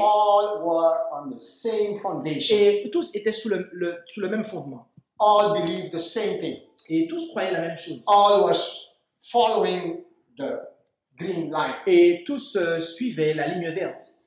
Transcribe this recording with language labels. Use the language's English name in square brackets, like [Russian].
[English] all were on the same foundation. [French] Et tous étaient sous le même fondement. [English] All believed the same thing. [French] Et tous croyaient la même chose. [English] All was following the green line. [French] Et tous suivaient la ligne verte.